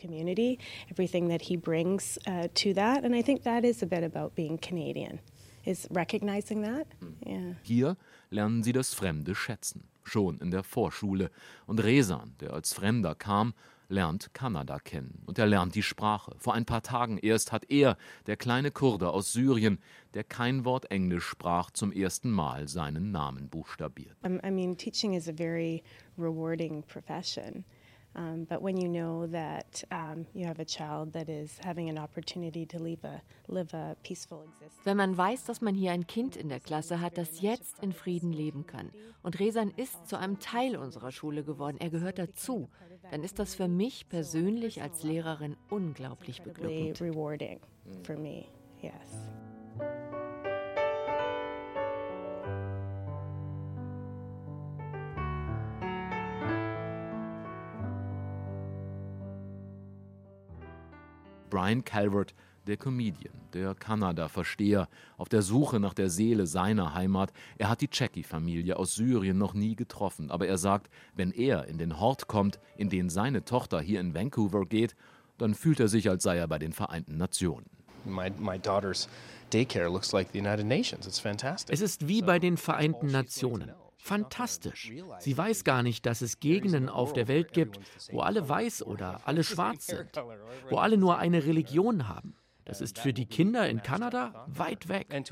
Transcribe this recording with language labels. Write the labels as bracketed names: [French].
[German] Hier lernen sie das Fremde schätzen, schon in der Vorschule. Und Rezan, der als Fremder kam, lernt Kanada kennen. Und er lernt die Sprache. Vor ein paar Tagen erst hat er, der kleine Kurde aus Syrien, der kein Wort Englisch sprach, zum ersten Mal seinen Namen buchstabiert. [English] Teaching is a very rewarding profession. But when you know that you have a child that is having an opportunity to live a peaceful existence. [German] Wenn man weiß, dass man hier ein Kind in der Klasse hat, das jetzt in Frieden leben kann, und Rezan ist zu einem Teil unserer Schule geworden, er gehört dazu, dann ist das für mich persönlich als Lehrerin unglaublich beglückend. [English] Rewarding for me, yes. [German] Brian Calvert, der Comedian, der Kanada-Versteher, auf der Suche nach der Seele seiner Heimat. Er hat die Checky-Familie aus Syrien noch nie getroffen, aber er sagt, wenn er in den Hort kommt, in den seine Tochter hier in Vancouver geht, dann fühlt er sich, als sei er bei den Vereinten Nationen. [English] My daughter's daycare looks like the United Nations. It's fantastic. [German] Es ist wie bei den Vereinten Nationen. Fantastisch. Sie weiß gar nicht, dass es Gegenden auf der Welt gibt, wo alle weiß oder alle schwarz sind, wo alle nur eine Religion haben. Das ist für die Kinder in Kanada weit weg.